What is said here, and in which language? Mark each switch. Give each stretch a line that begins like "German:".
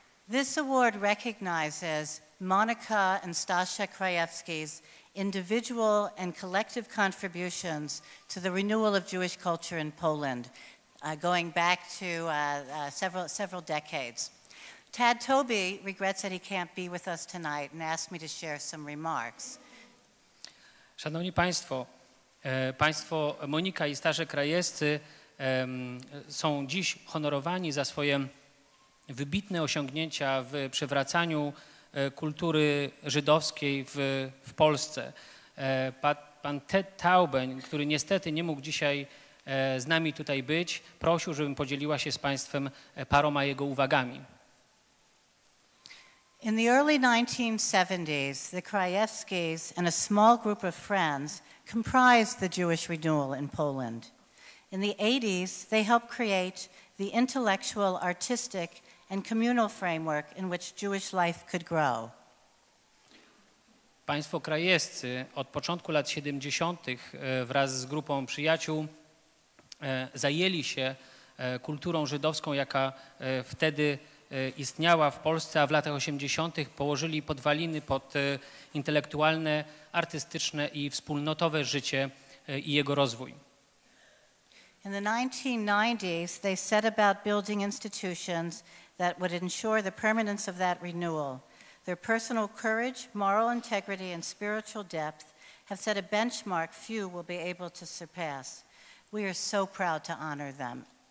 English: This award recognizes Monica and Staszek Krajewski's individual and collective contributions to the renewal of Jewish culture in Poland, going back to several decades. Tad Tobey regrets that he can't be with us tonight and asked me to share some remarks.
Polish: Szanowni Państwo, Państwo Monika i Staszek Krajewscy są dziś honorowani za swoje wybitne osiągnięcia w przywracaniu kultury żydowskiej w Polsce. Pan Ted Taubey, który niestety nie mógł dzisiaj z nami tutaj być, prosił, żebym podzieliła się z Państwem paroma jego uwagami.
English: In the early 1970s, the Krajewskis and a small group of friends comprised the Jewish renewal in Poland. In the 80s, they helped create the intellectual, artistic, and communal framework in which Jewish life could grow.
Polish: Państwo Krajewscy od początku lat 70. Wraz z grupą przyjaciół zajęli się kulturą żydowską, jaka wtedy istniała w Polsce, a w latach 80. położyli podwaliny pod intelektualne, artystyczne i wspólnotowe życie i jego rozwój.
English: In the 1990s, they set about building institutions that would ensure the permanence of that renewal. Their personal courage, moral integrity, and spiritual depth have set a benchmark few will be able to surpass. We are so proud to honor them.